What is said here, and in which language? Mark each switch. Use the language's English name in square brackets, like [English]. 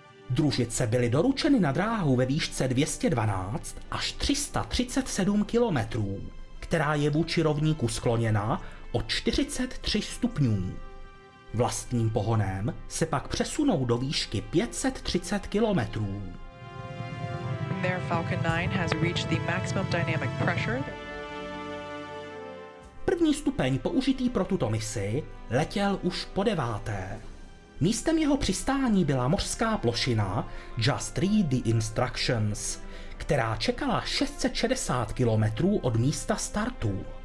[Czech] Družice byly doručeny na dráhu ve výšce 212 až 337 km, která je vůči rovníku skloněna o 43 stupňů. Vlastním pohonem se pak přesunou do výšky 530 km. [English] Their Falcon 9 has reached the maximum dynamic pressure. [Czech] První stupeň použitý pro tuto misi letěl už po 9. Místem jeho přistání byla mořská plošina Just Read the Instructions, která čekala 660 km od místa startu.